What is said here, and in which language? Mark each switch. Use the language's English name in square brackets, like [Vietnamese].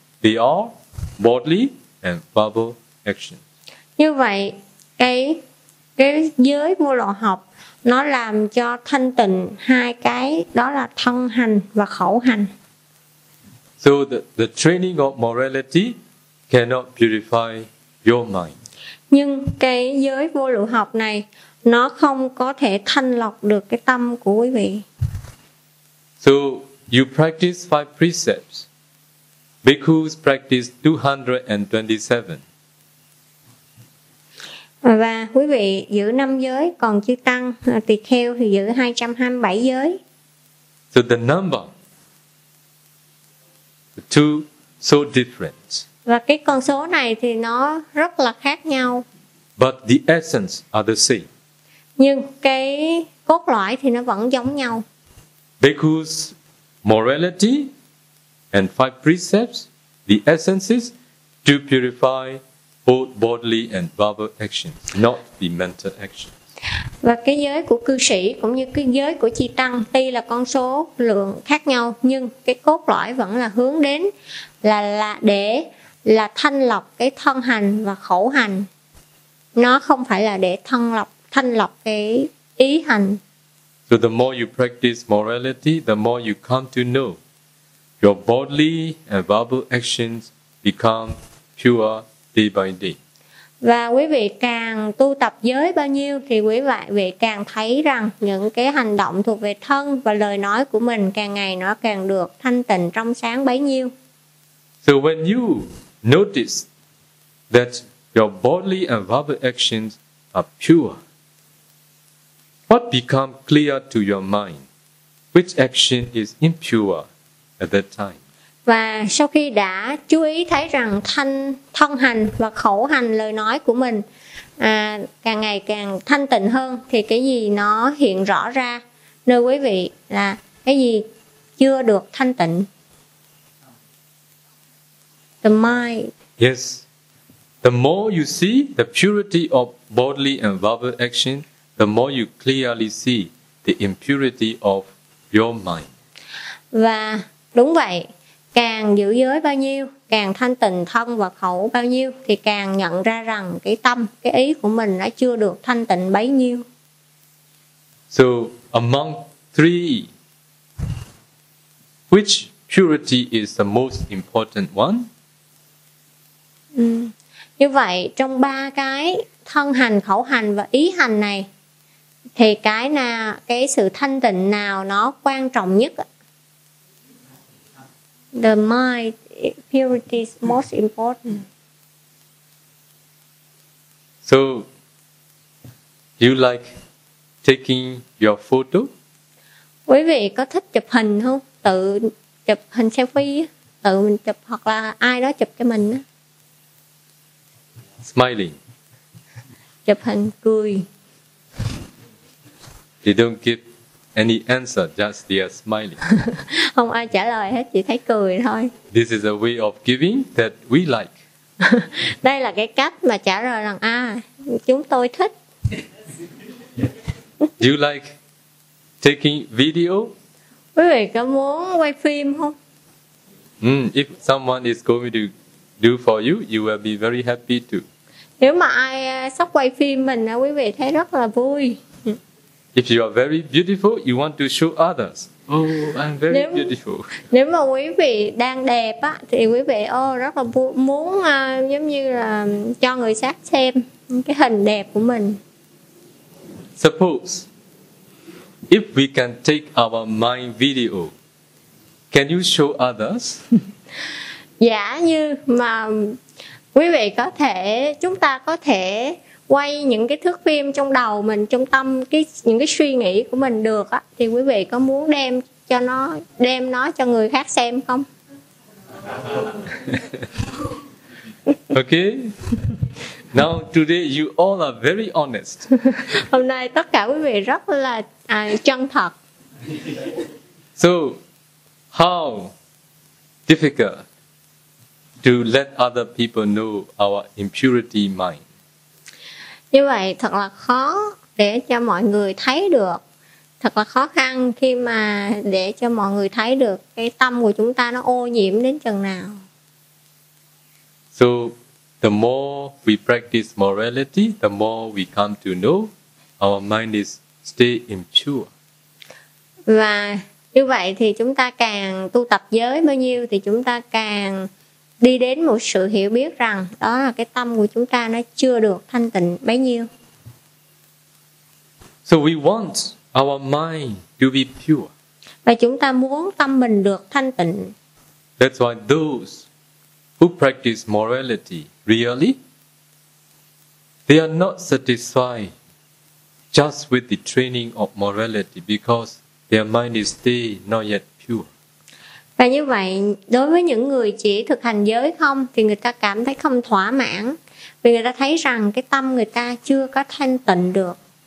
[English] They are bodily and verbal actions. [Vietnamese] Như vậy, cái giới vô lậu học nó làm cho thanh tịnh hai cái, đó là thân hành và khẩu hành. [English] So the training of morality cannot purify your mind. [Vietnamese] Nhưng cái giới vô lậu học này nó không có thể thanh lọc được cái tâm của quý vị. [English] So you practice five precepts. Bhikkhus practice 227. [Vietnamese] Và quý vị giữ năm giới, còn chư tăng tỳ kheo thì giữ 227 giới. [English] So the number, the two so different. [Vietnamese] Và cái con số này thì nó rất là khác nhau. [English] But the essence are the same. [Vietnamese] Nhưng cái cốt lõi thì nó vẫn giống nhau. [English] Bhikkhu's morality and five precepts, the essence is to purify both bodily and verbal actions, not the mental action. [Vietnamese] Và cái giới của cư sĩ cũng như cái giới của chi tăng, tuy là con số lượng khác nhau, nhưng cái cốt lõi vẫn là hướng đến là để là thanh lọc cái thân hành và khẩu hành. Nó không phải là để thanh lọc cái ý hành. [English] So the more you practice morality, the more you come to know Your bodily and verbal actions become pure day by day. [Vietnamese] Và quý vị càng tu tập giới bao nhiêu thì quý vị càng thấy rằng những cái hành động thuộc về thân và lời nói của mình càng ngày nó càng được thanh tịnh trong sáng bấy nhiêu. [English] So when you notice that your bodily and verbal actions are pure, what become clear to your mind? Which action is impure at that time? [Vietnamese] Và sau khi đã chú ý thấy rằng thân hành và khẩu hành lời nói của mình càng ngày càng thanh tịnh hơn thì cái gì nó hiện rõ ra nơi quý vị là cái gì chưa được thanh tịnh? [English] The mind. Yes. The more you see the purity of bodily and verbal action, the more you clearly see the impurity of your mind. [Vietnamese] Và đúng vậy, càng giữ giới bao nhiêu, càng thanh tịnh thân và khẩu bao nhiêu thì càng nhận ra rằng cái tâm, cái ý của mình nó chưa được thanh tịnh bấy nhiêu. [English] So, among three, which purity is the most important one? [Vietnamese] Như vậy, trong ba cái thân hành, khẩu hành và ý hành này thì cái nào, cái sự thanh tịnh nào nó quan trọng nhất? [English] The mind purity is most important. So, you like taking your photo? [Vietnamese] Quý vị có thích chụp hình không? Tự chụp hình selfie, tự mình chụp hoặc là ai đó chụp cho mình á? [English] Smiling. [Vietnamese] Chụp hình cười. [English] They don't give any answer, just they are smiling. [Vietnamese] Không ai trả lời hết, chỉ thấy cười thôi. [English] This is a way of giving that we like. [Vietnamese] Đây là cái cách mà trả lời rằng chúng tôi thích. [English] Do you like taking video? [Vietnamese] Quý vị có muốn quay phim không? [English] If someone is going to do for you, you will be very happy too. [Vietnamese] Nếu mà ai sắp quay phim mình, quý vị thấy rất là vui. [English] If you are very beautiful, you want to show others. Oh, I'm very beautiful. [Vietnamese] Nếu mà quý vị đang đẹp á, thì quý vị rất là muốn giống như là cho người khác xem cái hình đẹp của mình. [English] Suppose if we can take our mind video, can you show others? [Vietnamese] Giả như mà quý vị có thể, chúng ta có thể quay những cái thước phim trong đầu mình, trong tâm, những cái suy nghĩ của mình được á, thì quý vị có muốn đem nó cho người khác xem không? [English] Okay. Now today you all are very honest. [Vietnamese] Hôm nay tất cả quý vị rất là chân thật. [English] So how difficult to let other people know our impurity mind? [Vietnamese] Như vậy thật là khó để cho mọi người thấy được, thật là khó khăn khi mà để cho mọi người thấy được cái tâm của chúng ta nó ô nhiễm đến chừng nào. [English] So the more we practice morality, the more we come to know our mind is stay impure. [Vietnamese] Và như vậy thì chúng ta càng tu tập giới bao nhiêu thì chúng ta càng đi đến một sự hiểu biết rằng đó là cái tâm của chúng ta nó chưa được thanh tịnh bấy nhiêu. [English] So we want our mind to be pure. [Vietnamese] Và chúng ta muốn tâm mình được thanh tịnh. [English] That's why those who practice morality really, they are not satisfied just with the training of morality because their mind is still not yet pure. [Vietnamese] Và như vậy, đối với những người chỉ thực hành giới không thì người ta cảm thấy không thỏa mãn vì người ta thấy rằng cái tâm người ta chưa có thanh tịnh được.